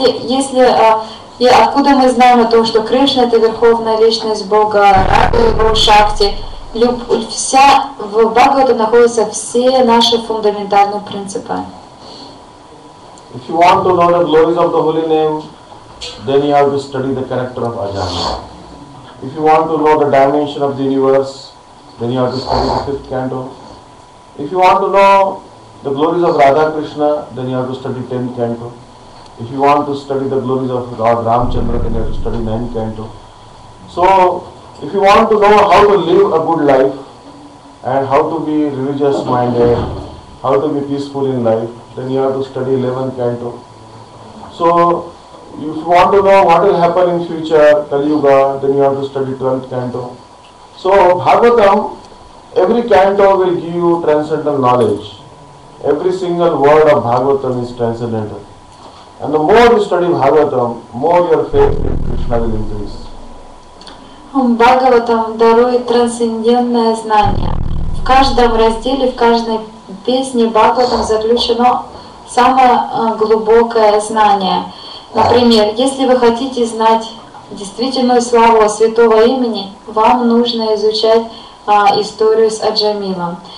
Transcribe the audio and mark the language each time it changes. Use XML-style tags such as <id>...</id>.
<ru>Если откуда мы знаем о том, что Кришна — это Верховная Личность Бога, Рада его Шакти, в Бхагавате находятся все наши фундаментальные принципы.</ru> <en>If you want to know the glories of the Holy Name, then you have to study the character of Ajahn. If you want to know the dimension of the universe, then you have to study the fifth canto. If you want to know the glories of Radha Krishna, then you have to study 10th canto. If you want to study the glories of Lord Ramchandra, then you have to study 9th canto. So, if you want to know how to live a good life, and how to be religious minded, how to be peaceful in life, then you have to study 11th canto. So, if you want to know what will happen in future, Kali Yuga, then you have to study 12th canto. So, Bhagavatam, every canto will give you transcendental knowledge. Every single word of Bhagavatam is transcendental. And the more you study Bhagavatam, more your faith in Krishna will increase.</en> <ru>Bhagavatam дарует трансцендентное знание. В каждом разделе, в каждой песне Бхагаватам заключено самое глубокое знание. Например, если вы хотите знать действительную славу святого имени, вам нужно изучать историю с Аджамилом.</ru>